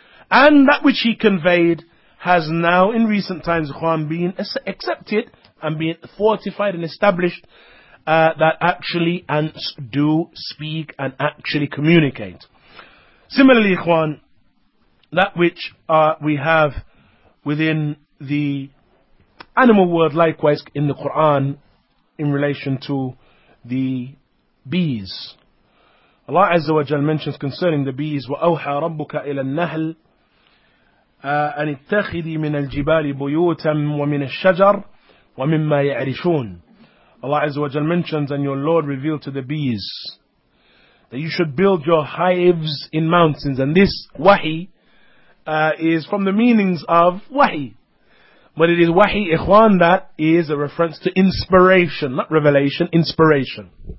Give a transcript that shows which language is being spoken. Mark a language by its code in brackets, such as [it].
[en] And that which he conveyed has now, in recent times, Ikhwan, been accepted and being fortified and established, that actually ants do speak and actually communicate. Similarly, Ikhwan, that which we have within the animal world, likewise in the Quran, in relation to the bees. Allah Azza wa Jal mentions concerning the bees, [ar] وَأَوْحَى رَبُّكَ إِلَى النَّهْلِ أَنِ اتَّخِذِي مِنَ الْجِبَالِ بُيُوتًا وَمِنَ الشَّجَرِ وَمِمَّا يَعْرِشُونَ. [en] Allah Azza wa Jal mentions, and your Lord revealed to the bees, that you should build your hives in mountains. And this wahi is from the meanings of wahi. But it is wahi, Ikhwan, that is a reference to inspiration, not revelation, inspiration.